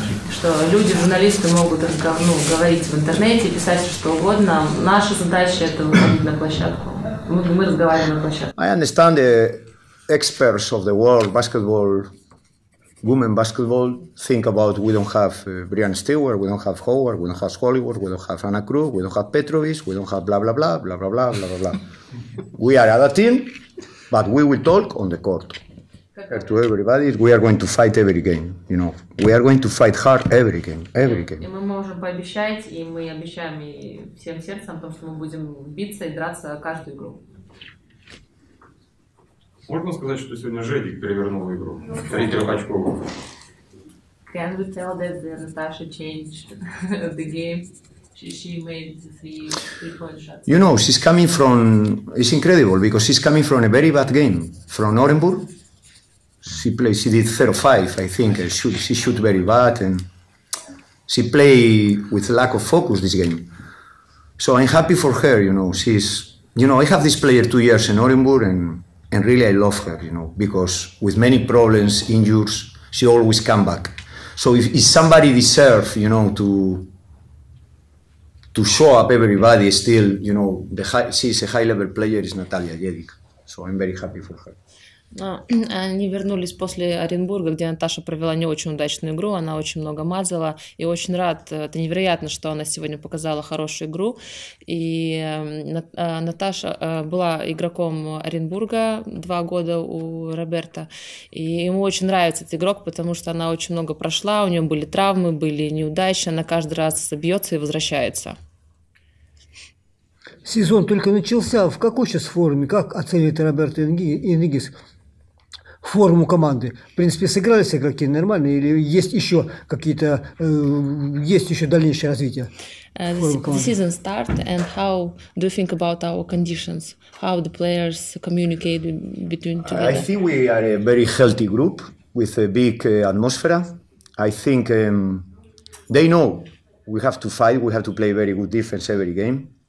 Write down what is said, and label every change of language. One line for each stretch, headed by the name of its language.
Russian: Что люди, журналисты могут говорить в интернете, писать что угодно. Наша задача это выходить на площадку. Мы разговариваем на площадке.
English: I understand the experts of the world basketball. Women basketball, think about we don't have Brian Stewart, we don't have Howard, we don't have Hollywood, we don't have Anna Cruz, we don't have Petrovic, we don't have blah, blah, blah, blah, blah, blah, blah, blah, blah. We are a team, but we will talk on the court. To everybody, we are going to fight every game, you know. We are going to fight hard every game, every game.
Russian: И мы можем пообещать, и мы обещаем и всем сердцем, то, что мы будем биться и драться каждую игру. Можно сказать, что сегодня Жедик перевернул игру? 3 трехочковые.
English: Can we tell that Natasha changed the game? She made the 3-point shots. You know, she's coming from... It's incredible because she's coming from a very bad game. From Orenburg. She played... She did 0-5, I think. She shoot very bad and... She played with lack of focus this game. So I'm happy for her, you know. She's... You know, I have this player 2 years in Orenburg and... And really, I love her, you know, because with many problems, injuries, she always come back. So if somebody deserves, you know, to show up everybody still, you know, she's a high-level player, is Natalia Jedic. So I'm very happy for her.
Russian: Они вернулись после Оренбурга, где Наташа провела не очень удачную игру, она очень много мазала, и очень рад, это невероятно, что она сегодня показала хорошую игру, и Наташа была игроком Оренбурга 2 года у Роберта, и ему очень нравится этот игрок, потому что она очень много прошла, у нее были травмы, были неудачи, она каждый раз бьется и возвращается. Сезон только начался, в какой сейчас форме, как оценивает Роберто Энгис форму команды? В принципе, сыгрались игроки нормально или есть еще какие-то, есть еще дальнейшее развитие?
English: The season start and how do you think about our conditions? How the players communicate between together? I think we are a very healthy group with a big atmosphere. I think they know we have to fight, we have to play very good defense every game.